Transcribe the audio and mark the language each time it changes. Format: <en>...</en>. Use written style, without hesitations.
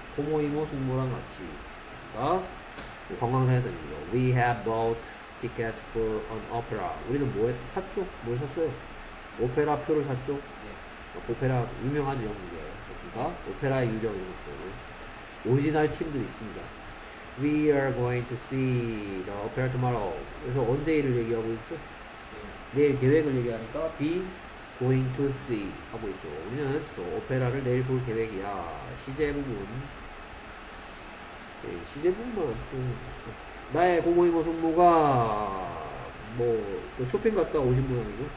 <ko>고모, 이모, 숙모랑 같이. 그렇습니까? 관광을 해야 되는 거.</ko> <en>We have bought tickets for an opera.</en> <ko>우리는 뭐 했, 샀죠? 뭘 샀어요? 오페라 표를 샀죠? 네. 오페라 유명하지, 영국에. 그렇습니까? 오페라의 유령 이런 것들. 오리지널 팀들이 있습니다.</ko> <en>We are going to see the opera tomorrow.</en> <ko>그래서 언제 일을 얘기하고 있어? 내일 계획을 얘기하니까 be going to see 하고 있죠. 우리는 저 오페라를 내일 볼 계획이야. 시제 부분. 시제 부분만. 나의 고모, 이모, 숙모가 뭐 쇼핑 갔다 오신 분 아니죠?</ko>